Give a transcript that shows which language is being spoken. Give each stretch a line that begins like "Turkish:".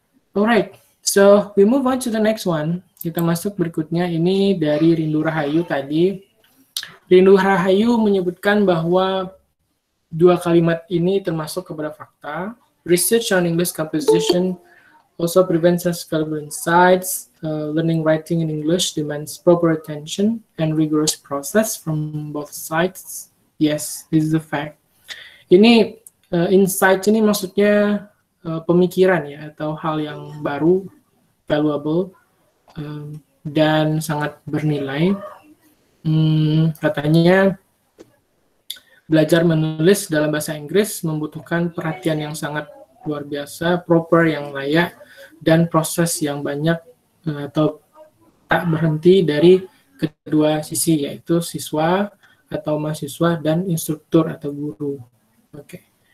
English: Alright, so we move on to the next one.
Indonesian: Kita masuk berikutnya, ini dari Rindu Rahayu tadi. Rindu Rahayu menyebutkan bahwa dua kalimat ini termasuk kepada fakta.
English: Research on English composition also prevents us from insights. Learning writing in English demands proper attention and rigorous process from both sides. Yes, this is a fact. Ini
Indonesian: insight ini maksudnya pemikiran ya, atau hal yang baru, valuable, dan sangat bernilai. Katanya, belajar menulis dalam bahasa Inggris membutuhkan perhatian yang sangat luar biasa, proper yang layak, dan proses yang banyak atau tak berhenti dari kedua sisi, yaitu siswa atau mahasiswa dan instruktur atau guru. Oke.